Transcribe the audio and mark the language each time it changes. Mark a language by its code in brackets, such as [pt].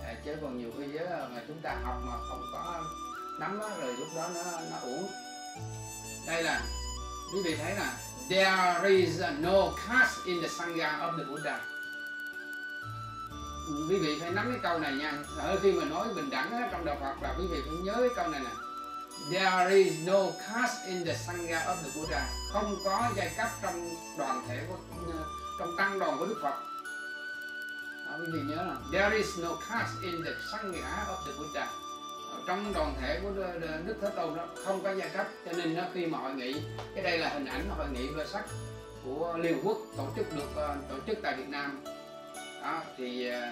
[vi] Chứ còn nhiều khi mà chúng ta học mà không có nắm đó, rồi lúc đó nó uổng. Đây là quý vị thấy nè, [en] there is no caste in the Sangha of the Buddha. [vi] Quý vị phải nắm cái câu này nha. Ở khi mà nói bình đẳng trong đạo Phật là quý vị phải nhớ cái câu này nè. [en] There is no caste in the Sangha of the Buddha. [vi] Không có giai cấp trong đoàn thể của, trong tăng đoàn của Đức Phật. Quý vị nhớ là [en] there is no caste in the Sangha of the Buddha. [vi] Trong đoàn thể của Đức Thế Tôn đó không có giai cấp, cho nên khi mà hội nghị, cái đây là hình ảnh hội nghị vơ sắc của Liên Quốc tổ chức được tổ chức tại Việt Nam đó, thì